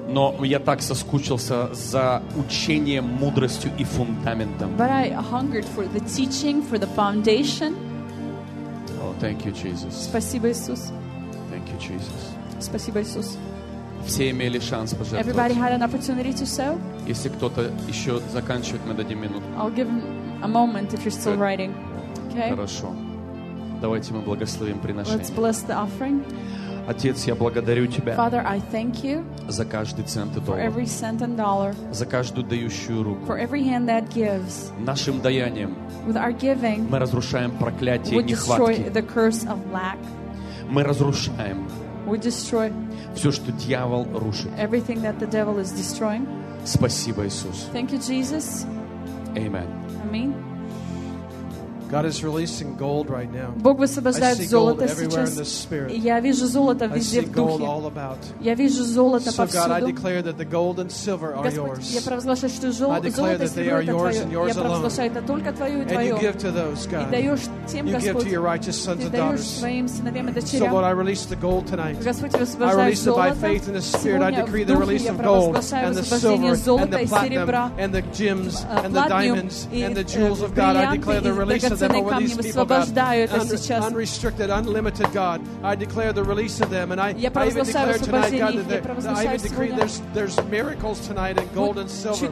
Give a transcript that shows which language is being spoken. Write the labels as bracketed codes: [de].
[ru] Но я так соскучился за учением, мудростью и фундаментом. [en] But I hungered for the teaching, for the foundation. Thank you, Jesus. [ru] Спасибо, Иисус. [en] Thank you, Jesus. [ru] Спасибо, Иисус. Все имели шанс пожертвовать. [en] Everybody had an opportunity to sow. [ru] Если кто-то еще заканчивает, мы дадим минуту. [en] I'll give a moment if you're still good. Writing. Okay. [ru] Хорошо. Давайте мы благословим приношение. [en] Let's bless the offering. [ru] Отец, я благодарю тебя. [en] Father, I thank you. [ru] За каждый цент и доллар. [en] For every cent and dollar. [ru] За каждую дающую руку. [en] For every hand that gives. [ru] Нашим даянием. [en] With our giving, [ru] мы разрушаем проклятие нехватки. [en] We destroy the curse of lack. [ru] Мы разрушаем. [en] We destroy. [ru] Все, что дьявол рушит. [en] Everything that the devil is destroying. [ru] Спасибо, Иисус. [en] Thank you, Jesus. Amen. Amen. God is releasing gold right now. [ru] Бог высвобождает золото сейчас. Я вижу золото везде в духе. Я вижу золото повсюду. [en] So God, I declare that the gold and silver are yours. [ru] Я провозглашаю, что золото и серебро это твое. Я провозглашаю, это только твое и твое. [en] And you give to those, God. [ru] И даешь тем, Господь. [en] You give to your righteous sons and daughters. [ru] Ты даешь своим сыновьям и дочерям. [en] So Lord, I release the gold tonight. [ru] Господь, высвобождаю золото. [en] I release it by faith in the Spirit. I decree the release of gold and the silver and the platinum and the gems and the diamonds and the jewels of God. I declare the release. Them over these people, God, unrestricted, unlimited, God. I declare the release of them, and I even declare tonight, God, that I even decree there's miracles tonight in gold and silver.